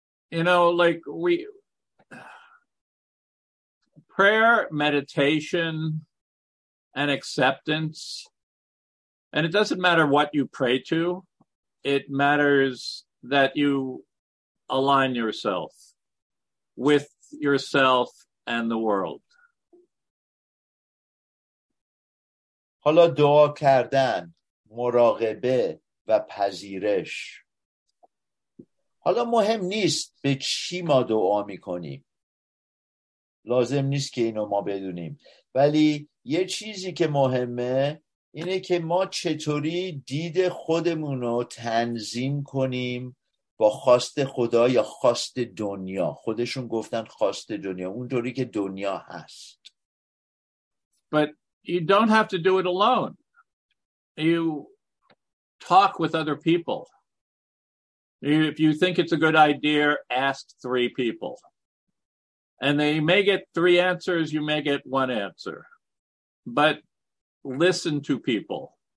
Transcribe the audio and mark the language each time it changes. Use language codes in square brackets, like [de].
[en] You know, like we prayer, meditation, and acceptance. And it doesn't matter what you pray to. It matters that you align yourself with yourself and the world. [fa] حالا دعا کردن، مراقبه و پذیرش. حالا مهم نیست به چی ما دعا میکنیم. لازم نیست که اینو ما بدونیم. ولی یه چیزی که مهمه اینه که ما چطوری دید خودمون رو تنظیم کنیم با خواست خدا یا خواست دنیا. خودشون گفتن خواست دنیا، اونطوری که دنیا هست. [en] But you don't have to do it alone. You talk with other people. If you think it's a good idea, ask three people. And they may get three answers, you may get one answer. But listen to people.